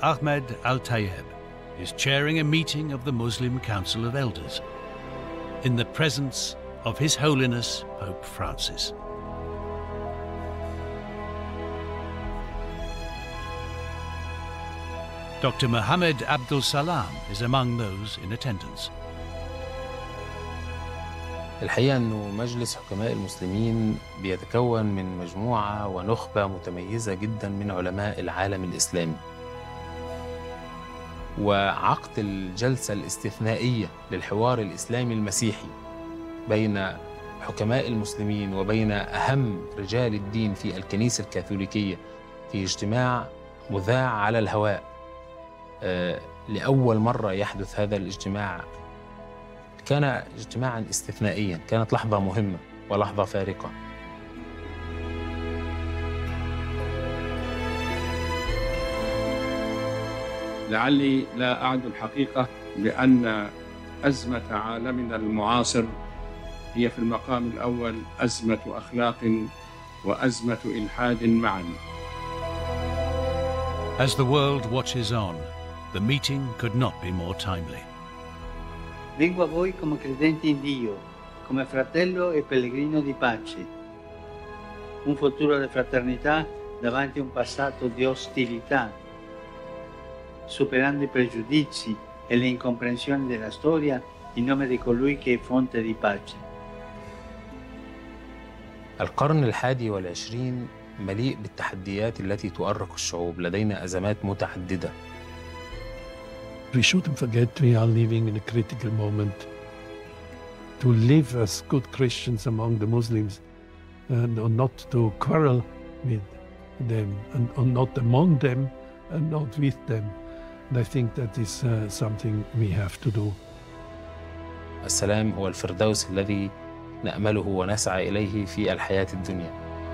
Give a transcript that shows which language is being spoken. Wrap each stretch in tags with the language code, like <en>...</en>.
<en>Ahmed Al-Tayeb, is chairing a meeting of the Muslim Council of Elders in the presence of His Holiness Pope Francis. Dr. Mohammed Abdul Salam is among those in attendance.</en> <ar>الحقيقة إنه مجلس حكماء المسلمين بيتكون من مجموعة ونخبة متميزة جدا من علماء العالم الإسلامي. وعقد الجلسة الاستثنائية للحوار الإسلامي المسيحي بين حكماء المسلمين وبين أهم رجال الدين في الكنيسة الكاثوليكية في اجتماع مذاع على الهواء. لأول مرة يحدث هذا الاجتماع كان اجتماعا استثنائيا كانت لحظة مهمة ولحظة فارقة لعلي لا أعد الحقيقة بأن أزمة عالمنا المعاصر هي في المقام الأول أزمة أخلاق وأزمة إلحاد معا</ar> <en>As the world watches on, the meeting could not be more timely.</en> <it>Vengo a voi come credente in Dio, come fratello e pellegrino di pace. Un futuro di fraternità davanti a un passato di ostilità, superando i pregiudizi e le incomprensioni della storia in nome di colui che è fonte di pace.</it> <ar>القرن الحادي والعشرين مليء بالتحديات التي تؤرق الشعوب. لدينا أزمات متعددة.</ar> <en>Please don't forget we are living in a critical moment. To live as good Christians among the Muslims and not to quarrel with them and not among them and not with them. And I think that is something we have to do.</en> <ar>السلام هو الفردوس الذي نأمله ونسعى إليه في الحياة الدنيا.</ar>